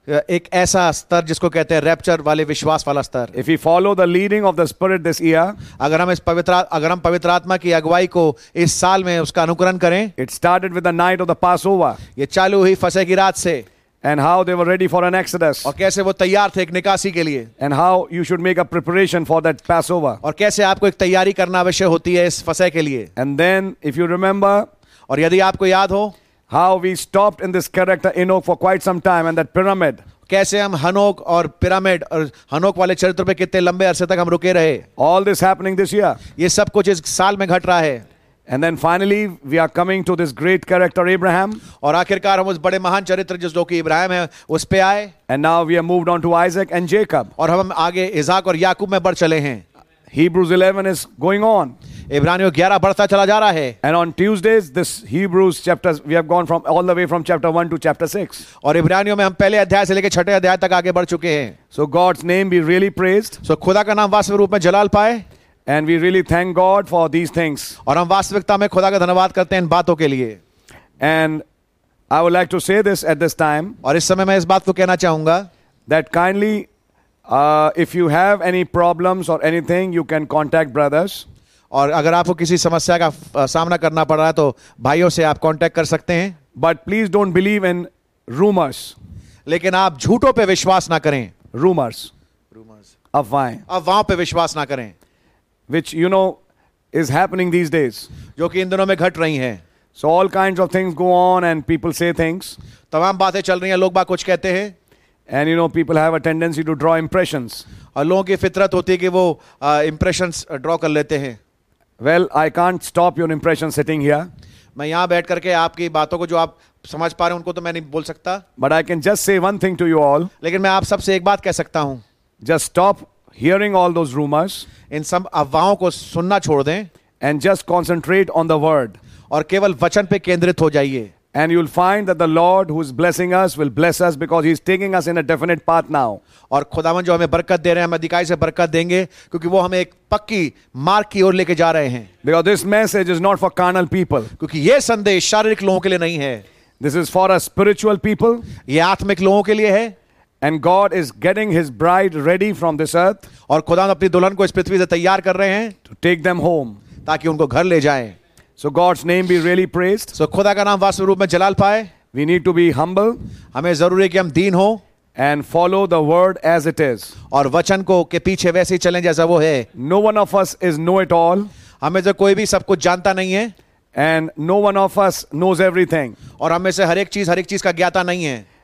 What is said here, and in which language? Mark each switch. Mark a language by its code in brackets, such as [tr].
[hi] एक ऐसा स्तर जिसको कहते हैं रैप्चर वाले विश्वास वाला स्तर. [en] If we follow the leading of the Spirit this year, [hi] अगर हम पवित्र आत्मा की अगुवाई को इस साल में उसका अनुकरण करें. [en] It started with the night of the Passover. [hi] ये चालू हुई फसे की रात से. [en] And how they were ready for an exodus. [hi] और कैसे वो तैयार थे एक निकासी के लिए. [en] And how you should make a preparation for that Passover. [hi] और कैसे आपको एक तैयारी करना आवश्यक होती है इस फसे के लिए. [en] And then, if you remember, [hi] और यदि आपको याद हो, [en] how we stopped in this character Enoch for quite some time and that pyramid. [hi] कैसे हम हनोक और पिरामिड और हनोक वाले चरित्र पे कितने लंबे अरसे तक हम रुके रहे. [en] All this happening this year. [hi] ये सब कुछ इस साल में घट रहा है. [en] And then finally, we are coming to this great character Abraham. [hi] और आखिरकार हम उस बड़े महान चरित्र जो कि इब्राहिम है उस पे आए. [en] And now we have moved on to Isaac and Jacob. [hi] और हम आगे इसहाक और याकूब में बढ़ चले हैं. [en] Hebrews 11 is going on. [hi] इब्रानियों 11 बढ़ता चला जा रहा है. [en] And on Tuesdays, this Hebrews chapters, we have gone from all the way from chapter 1 to chapter 6. [hi] और इब्रानियों में हम पहले अध्याय से लेकर छठे अध्याय तक आगे बढ़ चुके हैं. [en] So God's name be really praised. [hi] So खुदा का नाम वास्तव रूप में जलाल पाए. [en] And we really thank God for these things. [hi] और हम वास्तविकता में खुदा का धन्यवाद करते हैं इन बातों के लिए. [en] And I would like to say this at this time. [hi] और इस समय मैं इस बात को कहना चाहूंगा. [en] That kindly, if you have any problems or anything, you can contact brothers. [hi] और अगर आपको किसी समस्या का सामना करना पड़ रहा है तो भाइयों से आप कांटेक्ट कर सकते हैं. [en] But please don't believe in rumors. [hi] लेकिन आप झूठों पे विश्वास ना करें. [en] Rumors. [hi] अफवाहों पे विश्वास ना करें. [en] Which you know is happening these days. [hi] जो कि इन दिनों में घट रही हैं. [en] So all kinds of things go on and people say things. [hi] तमाम बातें चल रही हैं, लोग बात कुछ कहते हैं. [en] And you know people have a tendency to draw impressions. [hi] और लोगों की फितरत होती है कि वो [en] impressions draw [hi] कर लेते हैं. [en] Well, I can't stop your impression sitting here. [hi] मैं यहाँ बैठ करके आपकी बातों को जो आप समझ पा रहे हैं उनको तो मैं नहीं बोल सकता. [en] But I can just say one thing to you all. [hi] लेकिन मैं आप सबसे एक बात कह सकता हूँ. [en] Just stop hearing all those rumors. [hi] इन सब अफवाहों को सुनना छोड़ दें. [en] And just concentrate on the word. [hi] और केवल वचन पे केंद्रित हो जाइए. [en] And you'll find that the Lord who is blessing us will bless us because he's taking us in a definite path now. [hi] और खुदावन जो हमें बरकत दे रहे हैं, हमें अधिकाई से बरकत देंगे क्योंकि वो हमें एक पक्की मार्ग की ओर लेके जा रहे हैं. [en] Because this message is not for carnal people. [hi] क्योंकि ये संदेश शारीरिक लोगों के लिए नहीं है. [en] This is for a spiritual people. [hi] ये आत्मिक लोगों के लिए है. [en] And God is getting his bride ready from this earth. [hi] और खुदा अपनी दुल्हन को इस पृथ्वी से तैयार कर रहे हैं. [en] To take them home. [hi] ताकि उनको घर ले जाएं. [en] So God's name be really praised. [hi] So खुदा का नाम वास्तव रूप में जलाल पाए. [en] We need to be humble. [hi] हमें जरूरी है कि हम दीन हो. [en] And follow the word as it is. [hi] और वचन को के पीछे वैसे ही चलें जैसा वो है. [en] No one of us is know it all. [hi] हमें से कोई भी सब कुछ जानता नहीं है. [en] And no one of us knows everything. [hi] और हमें से हर एक चीज का ज्ञाता नहीं है.